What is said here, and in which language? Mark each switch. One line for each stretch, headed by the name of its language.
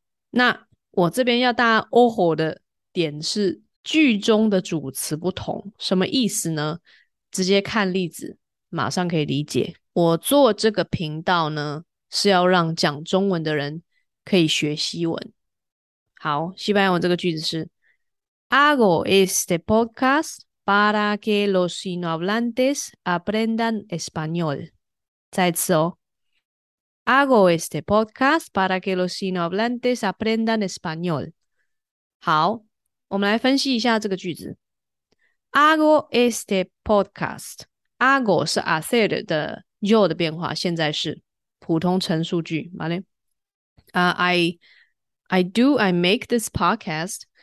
Chinese: 那我这边要大家 ojo 的点是句中的主词不同，什么意思呢？直接看例子，马上可以理解。我做这个频道呢，是要让讲中文的人可以学西文。好，西班牙文这个句子是。
Spanish: Hago este podcast para que los sinohablantes aprendan español.
Chinese: 再次哦。
Spanish: Hago este podcast para que los sinohablantes aprendan español.
Chinese: 好，我们来分析一下这个句子。
Spanish: Hago este podcast.
Chinese: Hago 是 hacer 的 yo 的变化，现在是普通陈述句，好嘞。
English: I make this podcast.